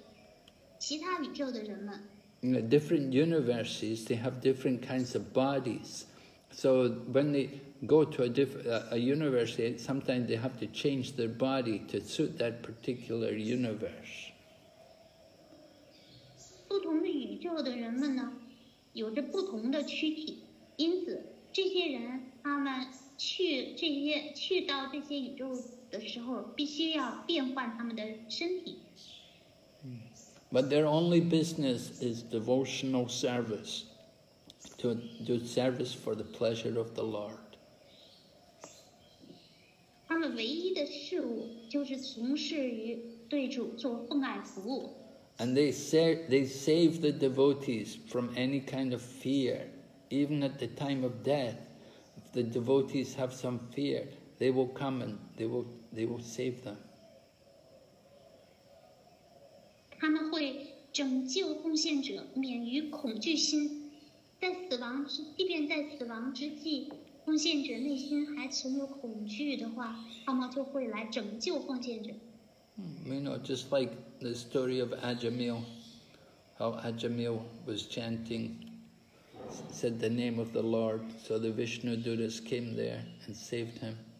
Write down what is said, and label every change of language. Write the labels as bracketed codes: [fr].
[zh] 其他还有很多其他的外空塔的人们，他们在其他的宇宙来旅行，把外空塔的讯息派发给其他宇宙的人们。 [en] Different universes, they have different kinds of bodies, so when they go to a universe, sometimes they have to change their body to suit that particular universe. [zh] 宇宙的人们呢，有着不同的躯体，因此这些人他们去到这些宇宙的时候，必须要变换他们的身体。 [en] But their only business is devotional service, to do service for the pleasure of the Lord. [zh] 他们唯一的事物就是从事于对主做奉爱服务。 [en] And they save the devotees from any kind of fear even at the time of death, if the devotees have some fear, they will come and they will save them. You know, just like the story of Ajamil, how Ajamil was chanting, said the name of the Lord, so the Vishnu Dutas came there and saved him.